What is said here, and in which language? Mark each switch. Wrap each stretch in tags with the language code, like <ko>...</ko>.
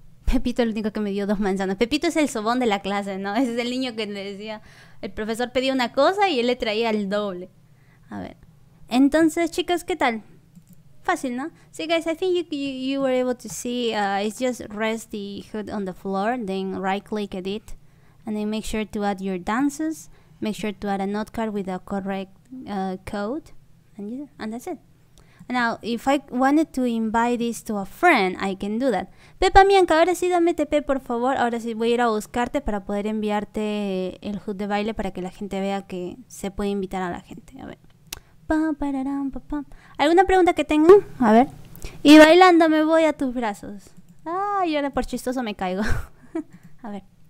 <es>Pepito es el único que me dio dos manzanas. Pepito es el sobón de la clase, ¿no? Ese es el niño que le decía, el profesor pedía una cosa y él le traía el doble. A ver, entonces, chicos, ¿qué tal? Fácil, ¿no?</es> <en>Sí, guys, I think you were able to see, it's just rest the hood on the floor, then right click edit, and then make sure to add your dances. Make sure to add a note card with the correct code, and that's it. Now, if I wanted to invite this to a friend, I can do that.</en> <es>Pepa Mianca, ahora sí dame TP, por favor. Ahora sí voy a ir a buscarte para poder enviarte el hood de baile para que la gente vea que se puede invitar a la gente. A ver. Pa, pararam, pa, pa. ¿Alguna pregunta que tenga? A ver. Y bailando me voy a tus brazos. Ay, ahora por chistoso me caigo. A ver.</es>